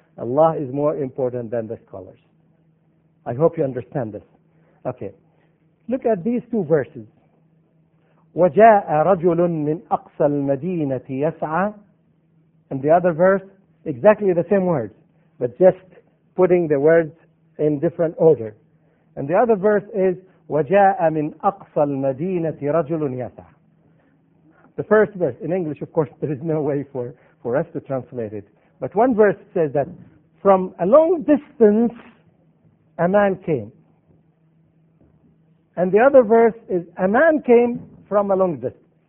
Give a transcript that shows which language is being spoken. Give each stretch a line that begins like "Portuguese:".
English: Allah is more important than the scholars. I hope you understand this. Okay. Look at these two verses.
Arabic: وَجَاءَ رَجُلٌ مِّنْ أَقْصَى الْمَدِينَةِ يَسْعَى.
English: And the other verse, exactly the same words, but just putting the words in different order. And the other verse is
Arabic: وَجَاءَ مِنْ أَقْصَى الْمَدِينَةِ رَجُلٌ يَسْعَى.
English: The first verse, in English, of course, there is no way for us to translate it. But one verse says that from a long distance, a man came. And the other verse is, a man came from a long distance.